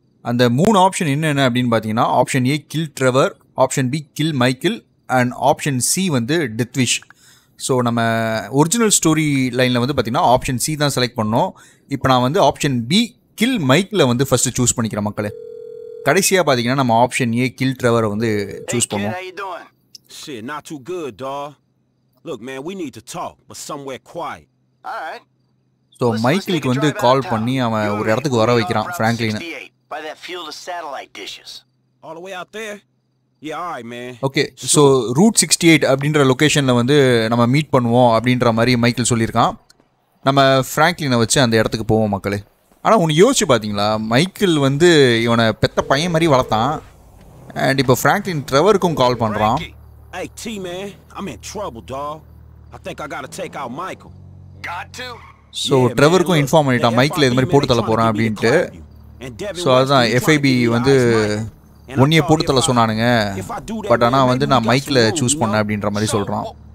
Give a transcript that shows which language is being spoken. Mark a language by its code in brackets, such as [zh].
[ta] அந்த மூணு ஆப்ஷன் என்னென்ன அப்படின்னு பார்த்தீங்கன்னா option A kill Trevor, option B kill Michael, and option C வந்து டெத்விஷ். ஸோ நம்ம ஒரிஜினல் ஸ்டோரி லைனில் வந்து பார்த்திங்கன்னா ஆப்ஷன் சி தான் செலக்ட் பண்ணோம். இப்போ நான் வந்து ஆப்ஷன் பி கில் மைக்கேல வந்து ஃபஸ்ட்டு சூஸ் பண்ணிக்கிறேன் மக்களே. கடைசியாக பார்த்தீங்கன்னா நம்ம ஆப்ஷன் ஏ கில் ட்ரெவரை வந்து சூஸ் பண்ணோம். [en] Shit, not too good, dog. Look, man, we need to talk, but somewhere quiet. [ta] So மைக்கேலுக்கு வந்து கால் பண்ணி அவன் ஒரு இடத்துக்கு வர வைக்கிறான் ஃப்ராங்க்லினை. [en] By that field of satellite dishes. All the way out there? Yeah, all right, man. Okay, so [ta] Route 68 அப்படின்ற லொக்கேஷனில் வந்து நம்ம மீட் பண்ணுவோம் அப்படின்ற மாதிரி மைக்கேல் சொல்லியிருக்கான். நம்ம ஃப்ராங்க்லினை வச்சு அந்த இடத்துக்கு போவோம் மக்களே. ஆனால் உன்னை யோசிச்சு பார்த்தீங்களா, மைக்கேல் வந்து இவனை பெத்த பையன் மாதிரி வளர்த்தான், அண்ட் இப்போ ஃப்ராங்க்லின் ட்ரெவருக்கும் கால் பண்ணுறான். [en] Hey, T-man, I'm in trouble, dog. I think I gotta take out Michael. Got to? [ta] So ட்ரெவருக்கும் inform பண்ணிட்டான் மைக்கேல் இது மாதிரி போட்டு தள்ள போகிறான் அப்படின்ட்டு. ஸோ அதுதான் எஃப்ஐபி வந்து ஒன்னியை போட்டுத்தல சொன்னானுங்க, பட் ஆனால் வந்து நான் மைக்கில் சூஸ் பண்ணேன் அப்படின்ற மாதிரி சொல்கிறான்.